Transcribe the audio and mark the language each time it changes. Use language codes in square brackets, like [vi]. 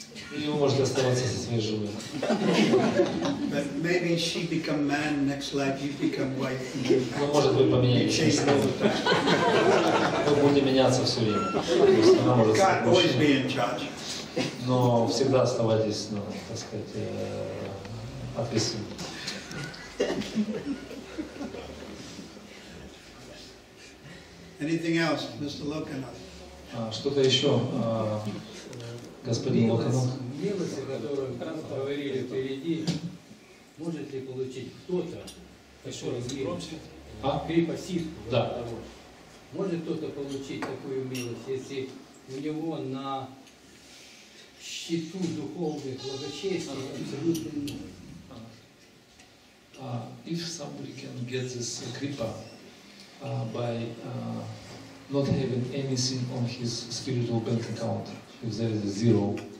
[ru] Вы можете оставаться со своей женой. [en] But maybe she become man next life, you become wife. [ru] Ну, может быть, поменяемся. Мы будем меняться все время. Она может стать мужчиной. Но всегда оставайтесь, ну, так сказать, ответственным. [en] Anything else, Mr. Lokanath? [ru] Что-то еще, господин Локанат? Милости, которые там говорили впереди, может ли получить кто-то, который крепостит? Да. Может кто-то получить такую милость, если у него на счету духовных благочестий абсолютно нет? [en] If somebody can get this kripa by not having anything on his spiritual bank account, if there is a zero.